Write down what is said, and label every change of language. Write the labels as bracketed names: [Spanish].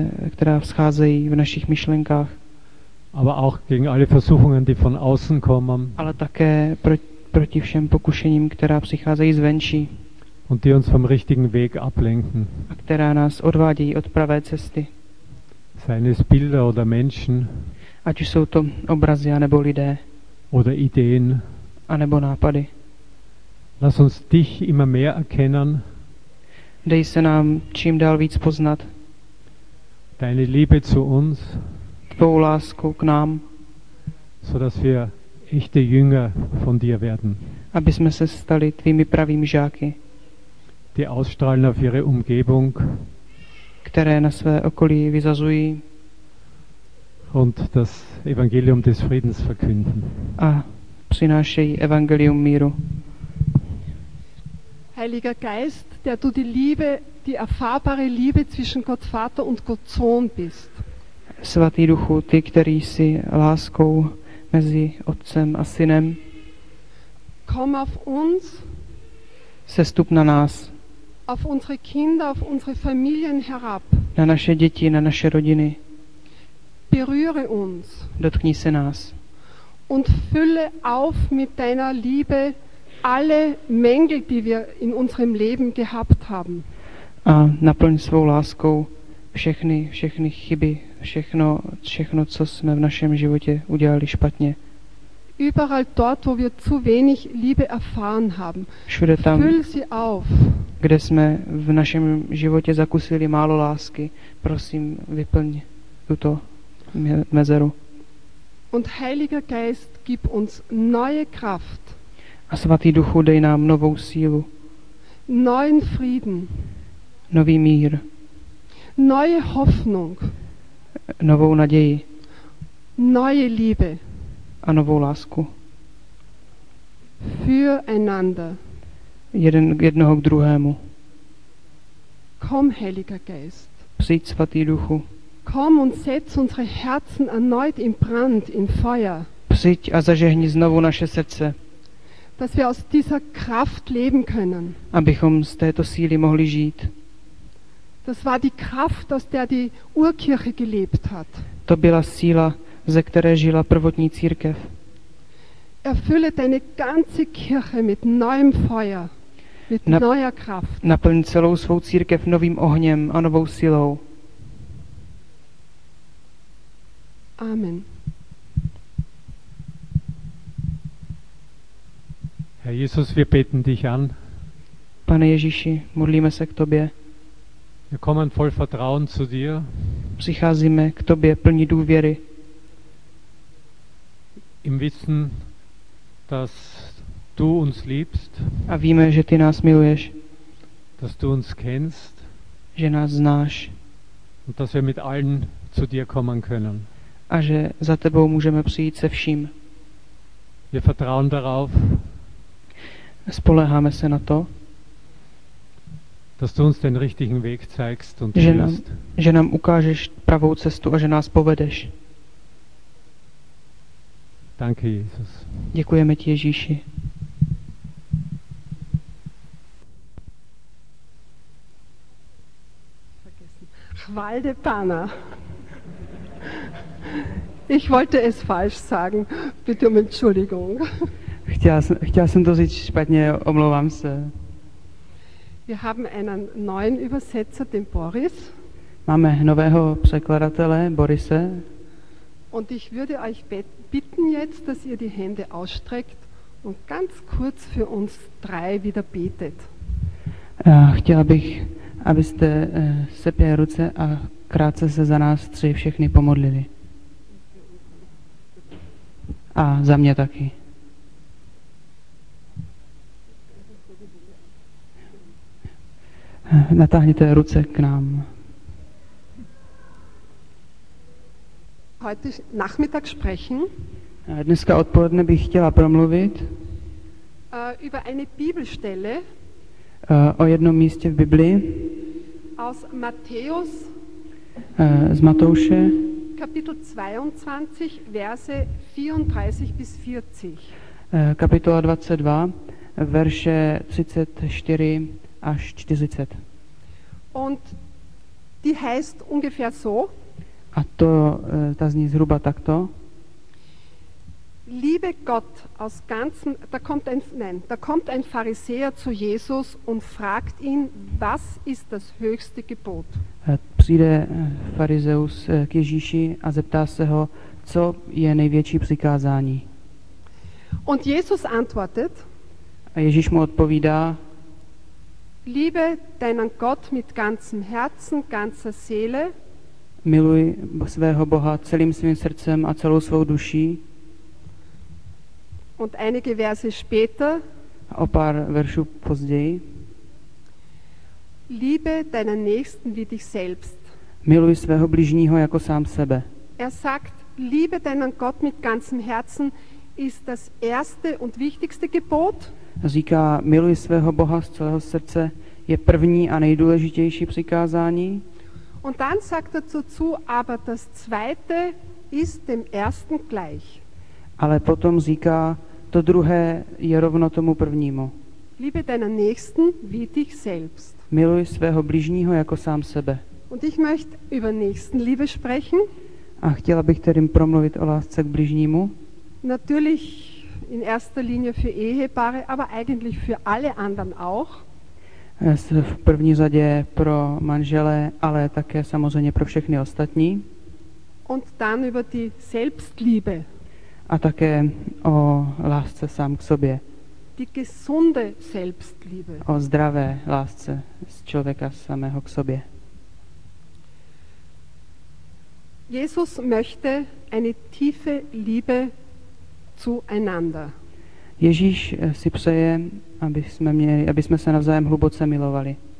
[Czech] Která vzcházejí v našich myšlenkách. [German] Aber auch gegen alle Versuchungen, die von außen kommen. [Czech] Ale také proti všem pokušením, která přicházejí zvenčí. [German] Und die uns vom richtigen Weg ablenken. [Czech] A která nás odvádějí od pravé cesty. [German] Seien es Bilder oder Menschen. [Czech] Ať už jsou to obrazy anebo lidé. [German] Oder Ideen. [Czech] Anebo nápady. [German] Lass uns dich immer mehr erkennen. [Czech] Dej se nám čím dál víc poznat. [German] Deine Liebe zu uns. [Czech] Tvou lásku k nám. [German] So dass wir echte Jünger von dir werden. [Czech] Aby jsme se stali tvými pravými žáky. [German] Die ausstrahlen auf ihre Umgebung. [Czech] Které na své okolí vyzazují. [German] Und das Evangelium des Friedens verkünden. [Czech] A přinášejí Evangelium míru. [German] Heiliger Geist, der du die Liebe, die erfahrbare Liebe zwischen Gott Vater und Gott Sohn bist. [Czech] Svatý Duchu, ty, který jsi láskou mezi Otcem a Synem. [German] Komm auf uns. [Czech] Sestup na nás. [German] Auf unsere Kinder, auf unsere Familien herab. [Czech] Na naše děti, na naše rodiny. [German] Berühre uns. [Czech] Dotkni se nás. [German] Und fülle auf mit deiner Liebe alle Mängel, die wir in unserem Leben gehabt haben. [Czech] A naplň svou láskou všechny chyby, všechno, co jsme v našem životě udělali špatně. [German] Überall dort, wo wir zu wenig Liebe erfahren haben, [Czech] všude tam, [German] füll sie auf. [Czech] Kde jsme v našem životě zakusili málo lásky, prosím, vyplň tuto mezeru. [German] Und Heiliger Geist, gib uns neue Kraft. [Czech] A Svatý Duchu, dej nám novou sílu. [German] Neuen Frieden. [Czech] Nový mír. [German] Neue Hoffnung. [Czech] Novou naději. [German] Neue Liebe. [Czech] A novou lásku. [German] Füreinander. [Czech] Jednoho k druhému. [German] Komm, Heiliger Geist. [Czech] Přijď, Svatý Duchu. [German] Komm und setz unsere Herzen erneut in Brand, in Feuer. [Czech] Přijď a zažehni znovu naše srdce. [German] Dass wir aus dieser Kraft leben können. [Czech] Abychom z této síly mohli žít. [German] Das war die Kraft, aus der die Urkirche gelebt hat. [Czech] To byla síla, ze které žila prvotní církev. [German] Erfülle deine ganze Kirche mit neuem Feuer, mit neuer Kraft. [Czech] Naplň celou svou církev novým ohněm a novou silou. [German] Amen. Herr Jesus, wir beten dich an. [Czech] Pane Ježíši, modlíme se k tobě. [German] Wir kommen voll Vertrauen zu dir. [Czech] Přicházíme k tobě plní důvěry. [German] Im Wissen, dass du uns liebst. [Czech] A víme, že ty nás miluješ. [German] Dass du uns kennst. [Czech] Že nás znáš. [German] Und dass wir mit allen zu dir kommen können. [Czech] A že za tebou můžeme přijít se vším. [German] Wir vertrauen darauf. [Czech] Spoléháme se na to, [German] dass du uns den richtigen Weg zeigst und führst. [Czech] Že nám ukážeš pravou cestu a že nás povedeš. [German] Danke, Jesus. [Czech] Děkujeme ti, Ježíši. Chvalde Pana. [German] Ich wollte es falsch sagen. Bitte um Entschuldigung. [Czech] Chtěl jsem to říct špatně, omlouvám se. [German] Wir haben einen neuen Übersetzer, den Boris. [Czech] Máme nového překladatele, Borise. [German] Und ich würde euch bitten jetzt, dass ihr die Hände ausstreckt und ganz kurz für uns drei wieder betet. [Czech] Chtěla bych, abyste sepěli ruce a krátce se za nás tři všechny pomodlili. A za mě taky. Natáhněte ruce k nám. [German] Heute Nachmittag sprechen. [Czech] Dneska odpoledne bych chtěla promluvit. [German] Über eine Bibelstelle. [Czech] O jednom místě v Biblii. [German] Aus Matthäus. [Czech] Z Matouše. [German] Kapitel 22, verse 34 bis 40. [Czech] Kapitola 22, verše 34 až 40. [German] Und die heißt ungefähr so. [Czech] A to, ta zní zhruba takto. [German] Liebe Gott aus ganzem, da kommt ein Pharisäer zu Jesus und fragt ihn, was ist das höchste Gebot? [Czech] Přijde farizeus k Ježíši a zeptá se ho, co je největší přikázání. [German] Und Jesus antwortet. [Czech] A Ježíš mu odpovídá. [German] Liebe deinen Gott mit ganzem Herzen, ganzer Seele. [Czech] Miluj svého Boha celým svým srdcem a celou svou duší. [German] Und einige Verse später. [Czech] A o pár veršů později. [German] Liebe deinen Nächsten wie dich selbst. [Czech] Miluj svého bližního jako sám sebe. [German] Er sagt, Liebe deinen Gott mit ganzem Herzen ist das erste und wichtigste Gebot. [Czech] říká miluj svého Boha z celého srdce, je první a nejdůležitější přikázání. [German] Und dann sagt er dazu, aber das zweite ist dem ersten gleich. [Czech] Ale potom říká, to druhé je rovno tomu prvnímu. [German] Liebe deinen Nächsten wie dich selbst. [Czech] Miluj svého bližního jako sám sebe. [German] Und ich möchte über Nächstenliebe sprechen. [Czech] A chtěla bych tedy promluvit o lásce k bližnímu. [German] Natürlich in erster Linie für Ehepaare, aber eigentlich für alle anderen auch. [Czech] V první řadě pro manžele, ale také samozřejmě pro všechny ostatní. [German] Und dann über die Selbstliebe. [Czech] A také o lásce sám k sobě. [German] Die gesunde Selbstliebe. [Czech] O zdravé lásce z člověka samého k sobě. [German] Jesus möchte eine tiefe Liebe zueinander. [Czech] Ježíš si přeje, aby jsme se navzájem hluboce milovali.